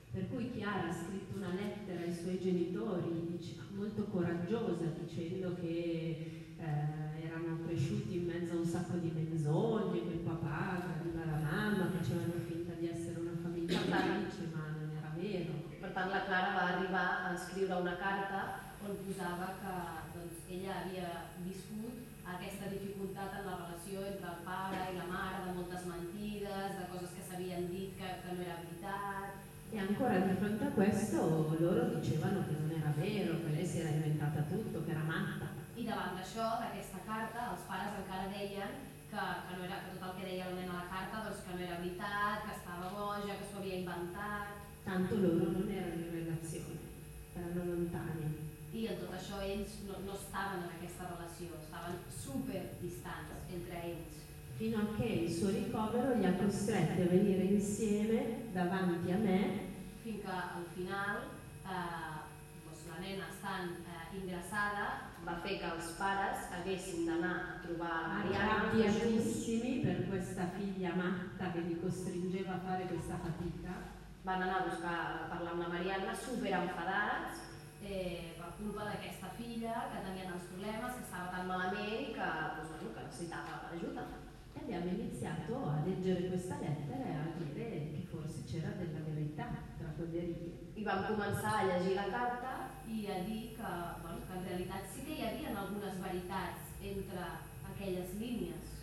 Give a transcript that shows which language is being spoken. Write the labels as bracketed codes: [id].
[it] Per cui Chiara ha scritto una lettera ai suoi genitori, molto coraggiosa, dicendo che erano cresciuti in mezzo a un sacco di menzogne, che il papà tradiva la mamma, facevano finta di essere una famiglia felice, ma non era vero. [ca] Pertanto la Clara va arrivare a scrivere una carta on posava che ella havia viscut aquesta dificultat en la relació entre el pare i la mare, de moltes mentides, de coses que s'havien dit que no era veritat. [it] E ancora di fronte a questo loro dicevano che non era vero, che lei si era inventata tutto, che era matta. [ca] I davant d'això, d'aquesta carta, els pares encara deien que no era, que tot el que deia la nena a la carta, doncs que no era veritat, que estava boja, que s'ho havia inventat. [it] Tanto loro non erano in relazione, erano lontani. [ca] I en tot això ells no estaven en aquesta relació, estaven super distants entre ells. [it] Fino a che il suo ricovero li ha costretti a venire insieme davanti a me. [ca] Finché al final la nena stant ingressata va fer que els pares haguessin d'anar a trobar Mariana. [it] Arrabbiatissimi per questa figlia matta che li costringeva a fare questa fatica. [ca] Van anar a buscar a parlar amb la Mariana, super enfadats. Per culpa d'aquesta filla que tenia tants problemes, que estava tan malament i que, pues, bueno, que necessitava ajuda. [it] E abbiamo iniziato a leggere questa lettera e a dire che forse c'era della verità tra quelle righe. [ca] I vam començar a llegir la carta i a dir que, bueno, que en realitat sí que hi havia algunes veritats entre aquelles línies.